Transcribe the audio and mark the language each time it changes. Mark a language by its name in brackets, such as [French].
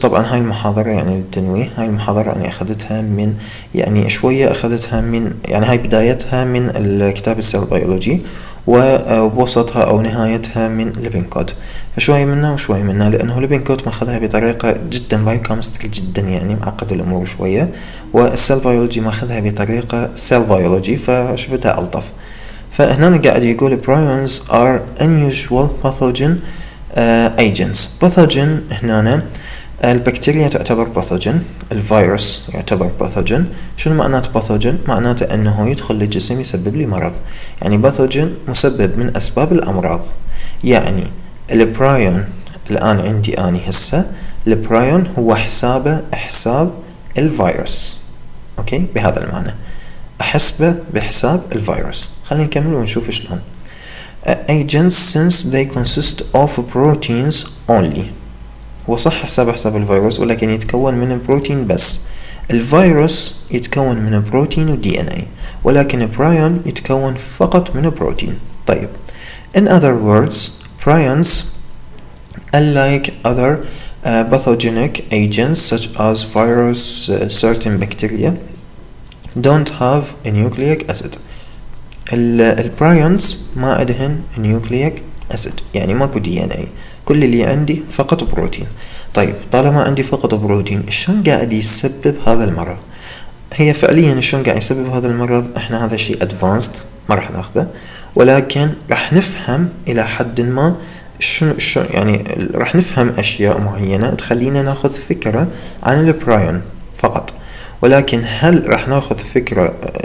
[Arabic] طبعا هاي المحاضرة يعني التنويه، هاي المحاضرة أنا أخذتها من يعني شوية أخذتها من يعني هاي بدايتها من الكتاب السيل بيولوجي ووسطها أو نهايتها من ليبينكوت، فشوية منها وشوية منها لأنه ليبينكوت ماخذها بطريقة جدا بايوكيمستري جدا يعني معقد الأمور شوية، والسيل بيولوجي ماخذها بطريقة سيل بيولوجي فشفتها ألطف. فهنا قاعد يقول [English] prions are unusual pathogen agents. [Arabic] pathogen هنا البكتيريا تعتبر pathogen، الفيروس يعتبر pathogen. شنو معنات pathogen؟ معناته أنه يدخل للجسم يسبب لي مرض. يعني pathogen مسبب من أسباب الأمراض. يعني البرايون الآن عندي أنا هسة البرايون هو حسابه حساب الفيروس. أوكي، بهذا المعنى أحسبه بحساب الفيروس. خلينا نكمل ونشوف شلون. [English] agents since they consist of proteins only. [Arabic] هو صح حساب الفيروس ولكن يتكون من بروتين بس. الفيروس يتكون من بروتين و DNA ولكن البرايون يتكون فقط من بروتين. [English] طيب، in other words prions unlike other pathogenic agents such as virus certain bacteria don't have a nucleic acid. [Arabic] البرايونز ما عندهن نيوكليك اسيد، يعني ماكو دي ان اي، كل اللي عندي فقط بروتين. طيب، طالما عندي فقط بروتين شلون قاعد يسبب هذا المرض؟ هي فعليا شلون قاعد يسبب هذا المرض احنا هذا شيء ادفانسد ما راح ناخذه، ولكن راح نفهم الى حد ما شنو يعني راح نفهم اشياء معينه تخلينا ناخذ فكره عن البرايون فقط، ولكن هل راح ناخذ فكره